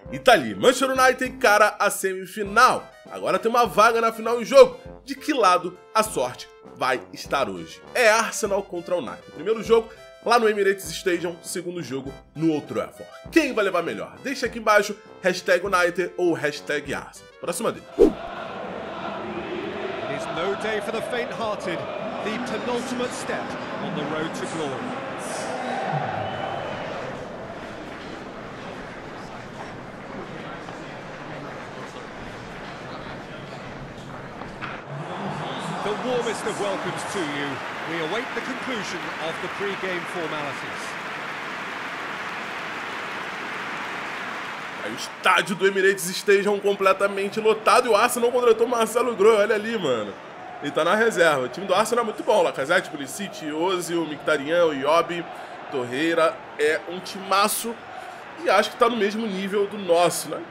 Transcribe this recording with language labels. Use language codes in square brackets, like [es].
[pt] E tá ali, Manchester United, cara, a semifinal. Agora tem uma vaga na final em jogo. De que lado a sorte vai estar hoje? É Arsenal contra o United. Primeiro jogo lá no Emirates Stadium, segundo jogo no Old Trafford. Quem vai levar melhor? Deixa aqui embaixo, hashtag United ou hashtag Arsenal. Próxima dele. [en] It is no day for the faint-hearted, the penultimate step on the road to glory. The warmest of welcomes to you. We await the conclusion of the pre-game formalities. [pt] Aí o estádio do Emirates esteja completamente lotado e o Arsenal não contratou o Marcelo Groh, olha ali, mano. Ele tá na reserva. O time do Arsenal é muito bom. Lacazette, Pulisic, Ozil, Mkhitaryan, Iobi, Torreira. É um timaço e acho que tá no mesmo nível do nosso, né?